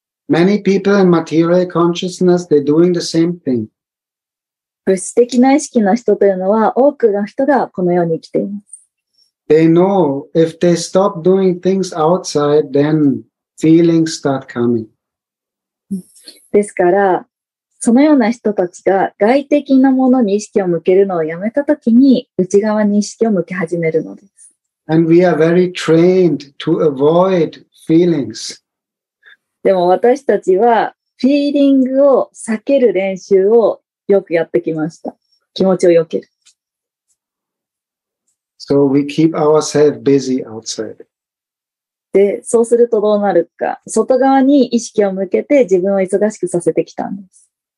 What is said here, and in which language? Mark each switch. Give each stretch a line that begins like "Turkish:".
English: Many people in material consciousness, they're doing the same thing.
Japanese: 物質的な意識の人というのは多くの人がこのように生きています。
English: They know if they stop doing things outside, then feelings start coming.
Japanese: ですから、そのような人たちが外的なものに意識を向けるのをやめたときに内側に意識を向け始めるのです。
English: And we are very trained to avoid feelings.
Japanese: でも私たちはフィーリングを避ける練習をよくやってきました。気持ちを避ける。
English: So we keep ourselves busy outside.
Japanese: で、そうするとどうなるか。外側に意識を向けて自分を忙しくさせてきたんです。